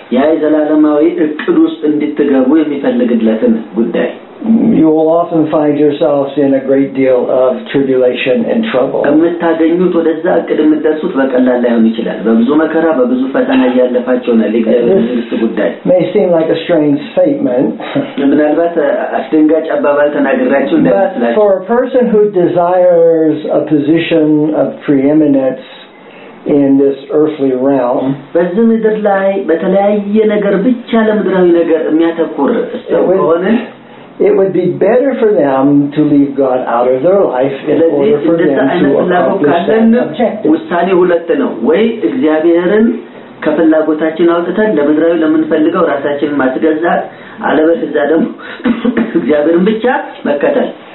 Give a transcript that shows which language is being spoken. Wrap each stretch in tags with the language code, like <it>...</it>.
<am>ያ ዘላለማዊ እቅድ ውስጥ እንድትገቡ የሚፈልግለትን ጉዳይ</am> <en>you will often find yourselves in a great deal of tribulation and trouble</en> <am>እምታገኙት ወደዛ እቅድ እንደሱት በቀላል ላይ ሆን ይችላል በብዙ መከራ በብዙ ፈተና ያለፋቸው ነው ለግልስ ጉዳይ</am> <en>may seem like a strange statement</en> <am>ምናልባት አስደንጋጭ አባባል ተናግራችሁ እንደምትላችሁ</am> <en>for a person who desires a position of preeminence in this earthly realm</en> <am>በዚህ ምድር ላይ በተለያየ ነገር ብቻ ለምድራዊ ነገር የሚያተኩር ሰው ሆነ</am> <en>it would be better for them to leave God out of their life in order for them to accomplish that objective.</en> <am>ውሳኔ ሁለት ነው ወይ እግዚአብሔርን ከፍላጎታችን አውጥተን ለምድራዊ ለምንፈልገው ራሳችንን ማስገዛ አለበለዚያ ደግሞ እግዚአብሔርን ብቻ መከተል</am>